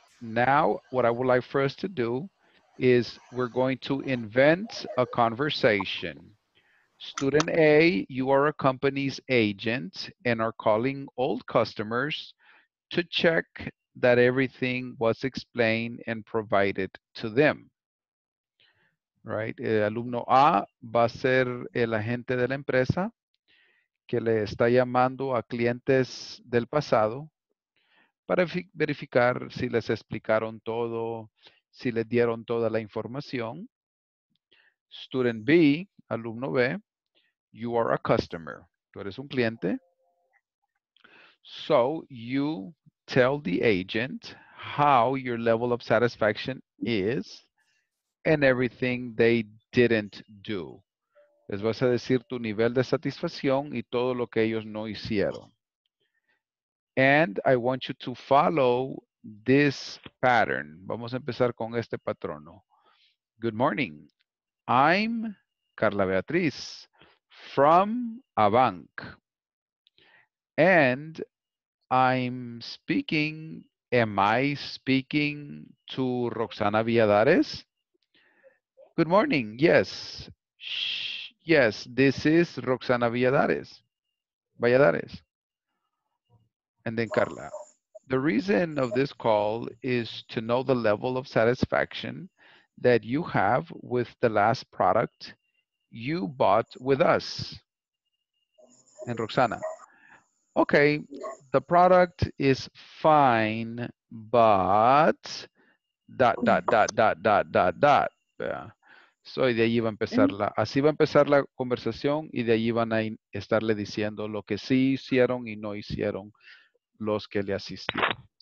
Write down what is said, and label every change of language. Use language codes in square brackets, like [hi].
[en] Now, what I would like for us to do is we're going to invent a conversation. Student A, you are a company's agent and are calling old customers to check that everything was explained and provided to them. Right? [es] El alumno A va a ser el agente de la empresa que le está llamando a clientes del pasado para verificar si les explicaron todo, si les dieron toda la información. [en] Student B, [es] alumno B, [en] you are a customer. [es] Tú eres un cliente. [en] So you tell the agent how your level of satisfaction is and everything they didn't do. [es] Les vas a decir tu nivel de satisfacción y todo lo que ellos no hicieron. [en] And I want you to follow this pattern. [es] Vamos a empezar con este patrono. [en] Good morning. I'm Carla Beatriz from a bank. And I'm speaking, am I speaking to Roxana Villadares? Good morning. Yes. Yes, this is Roxana Villadares. Villadares. And then Carla, the reason of this call is to know the level of satisfaction that you have with the last product you bought with us. And Roxana, okay, the product is fine, but ... Yeah. [es] So, y de ahí va a empezar la, así va a empezar la conversación y de ahí van a estarle diciendo lo que sí hicieron y no hicieron los que le asistieron.